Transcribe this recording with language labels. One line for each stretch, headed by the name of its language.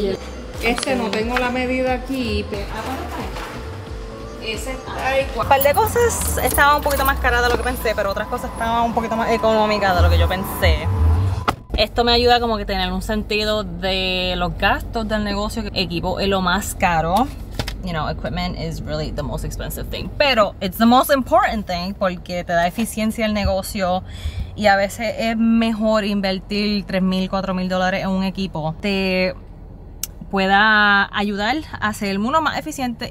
English: Yeah.
Spanish: Este okay. No tengo la medida aquí. Un par de cosas estaban un poquito más caras de lo que pensé, pero otras cosas estaban un poquito más económicas de lo que yo pensé. Esto me ayuda como que tener un sentido de los gastos del negocio. Equipo es lo más caro.
English: You know, equipment is really the most expensive thing.
Spanish: Pero
English: it's the most important thing
Spanish: porque te da eficiencia el negocio. Y a veces es mejor invertir $3,000-$4,000 en un equipo. Te pueda ayudar a ser uno más eficiente.